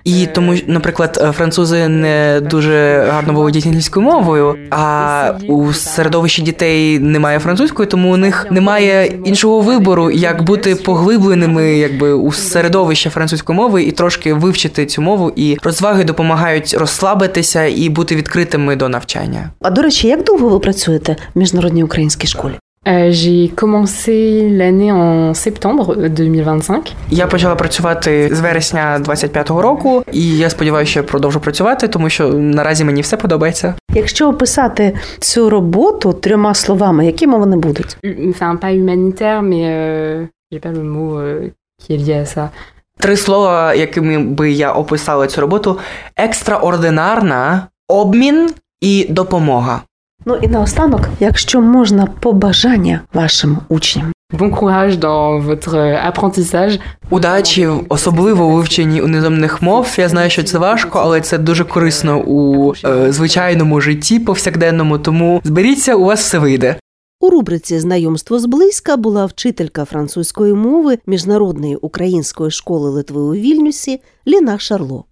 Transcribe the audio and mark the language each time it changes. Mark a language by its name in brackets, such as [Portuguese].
[Ukrainian] І тому, наприклад, французи не дуже гарно володіють англійською мовою, а у середовищі дітей немає французької, тому у них немає іншого вибору, як бути поглибленими якби у середовище французької мови і трошки вивчити цю мову, і розваги допомагають. Помагають розслабитися і бути відкритими до навчання. А до речі, як довго ви працюєте в міжнародній українській школі? [French] J'ai commencé l'année en septembre 2025. [Ukrainian] Я почала працювати з вересня 25-го року, і я сподіваюся, що продовжу працювати, тому що наразі мені все подобається. Якщо описати цю роботу трьома словами, якими вони будуть? [French] Enfin, pas humanitaire, mais j'ai pas le mot qui est lié à ça. [Ukrainian] Три слова, якими би я описала цю роботу: екстраординарна, обмін і допомога. Ну і наостанок, якщо можна, побажання вашим учням. [French] Bon courage dans votre apprentissage. [Ukrainian] Удачі, особливо у вивченні іноземних мов. Я знаю, що це важко, але це дуже корисно у звичайному житті, повсякденному, тому зберіться, у вас все вийде. У рубриці «Знайомство зблизька» була вчителька французької мови Міжнародної української школи Литви у Вільнюсі Ліна Шарло.